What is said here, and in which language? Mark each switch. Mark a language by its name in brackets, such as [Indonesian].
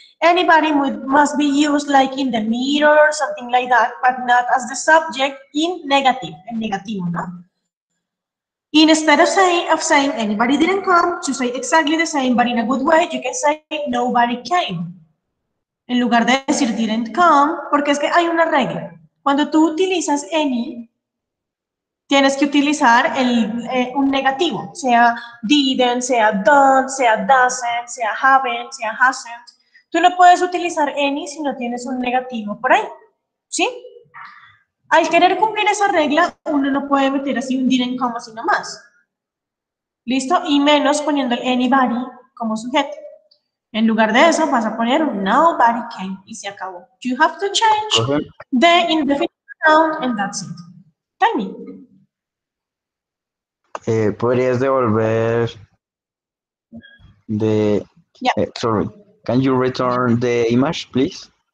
[English] Anybody must be used like in the mirror or something like that, but not as the subject in negative. [Spanish] En negativo, ¿no? [English] Instead of saying anybody didn't come, to say exactly the same, but in a good way, you can say nobody came. [Spanish] En lugar de decir didn't come, porque es que hay una regla. Cuando tú utilizas any, tienes que utilizar un negativo, sea didn't, sea don't, sea doesn't, sea haven't, sea hasn't. Tú no puedes utilizar any si no tienes un negativo por ahí, ¿sí? Al querer cumplir esa regla, uno no puede meter así un didn't come así nomás. ¿Listo? Y menos poniendo el anybody como sujeto. En lugar de eso, vas a poner nobody came y se acabó. [English] You have to change the indefinite pronoun and that's it. Tell me. [Spanish] ¿Podrías devolver the... [English] Yeah. Sorry. Can you return the image, please?